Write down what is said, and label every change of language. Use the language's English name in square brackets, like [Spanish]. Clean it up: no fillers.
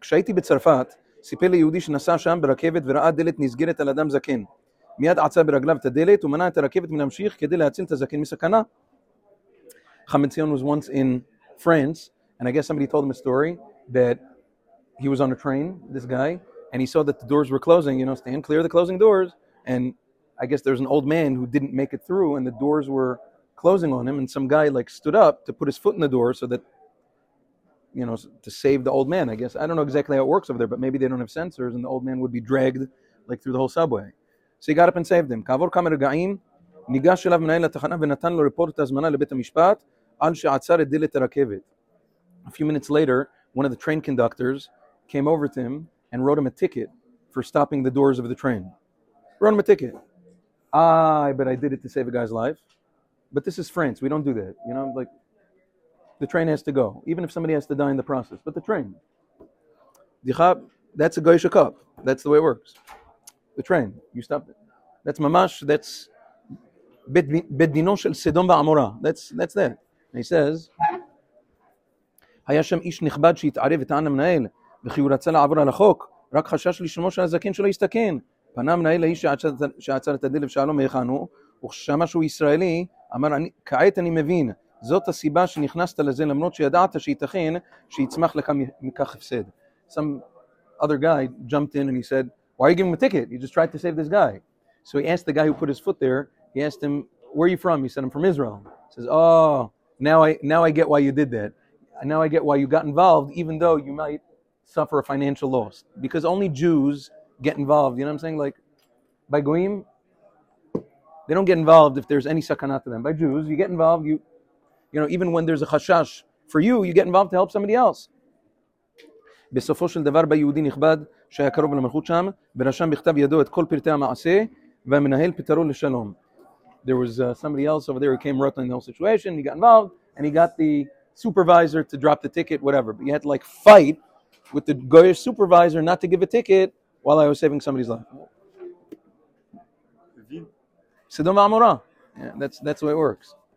[Hebrew] כשהייתי בצרפת, סיפר לי יהודי שנסע שם ברכבת וראה דלת נסגרת על אדם זקן. מיד עצה ברגליו את הדלת ומנע את הרכבת מלהמשיך כדי להציל את הזקן מסכנה. [English] Chametzion was once in France, and I guess somebody told him a story that he was on a train, this guy, and he saw that the doors were closing, you know, stand clear of the closing doors, and I guess there was an old man who didn't make it through and the doors were closing on him and some guy like stood up to put his foot in the door so that, you know, to save the old man, I guess. I don't know exactly how it works over there, but maybe they don't have sensors and the old man would be dragged like through the whole subway. So he got up and saved him. [Hebrew] כעבור כמה רגעים, ניגש אליו מנהל התחנה ונתן לו ריפורט את הזמנה לבית המשפט על שעצר את דלת הרכבת. [English] A few minutes later, one of the train conductors came over to him and wrote him a ticket for stopping the doors of the train. Wrote him a ticket. But I did it to save a guy's life. But this is France. We don't do that. You know, like, the train has to go. Even if somebody has to die in the process. But the train. That's a goyish cup. That's the way it works. The train. You stop it. That's mamash. That's [Hebrew] bedino shel Sedom va'amora. [English] That's that. And he says, [Hebrew] Hayasham ish nechbad sheitarev et'an amnael v'chi uratza la'avor al hachok rak chashash lishmo shel hazaken shelo yistaken. פנה מנהל האיש שעצר את הדלת ושאלו מאיכן הוא, וכששמע שהוא ישראלי, אמר, כעת אני מבין, זאת הסיבה שנכנסת לזה, למרות שידעת שייתכן שיצמח לך מכך הפסד. [English] Some other guy jumped in and he said, why are you giving him a ticket? You just tried to save this guy. So he asked the guy who put his foot there, he asked him, where are you from? He said, I'm from Israel. He says, oh, now I get why you did that. Now I get why you got involved, even though you might suffer a financial loss. Because only Jews get involved, you know what I'm saying? Like, by goyim, they don't get involved if there's any sakana to them. By Jews, you get involved, you know, even when there's a chashash for you, you get involved to help somebody else. [Hebrew] בסופו של דבר ביהודי נכבד שהיה קרוב למלכות שם, ורשם בכתב ידו את כל פרטי המעשה, והמנהל פתרו לשלום. [English] There was somebody else over there who came right in the whole situation, he got involved, and he got the supervisor to drop the ticket, whatever. But you had to, like, fight with the goyish supervisor not to give a ticket, while I was saving somebody's life. Sedom v'amora. Yeah, that's the way it works.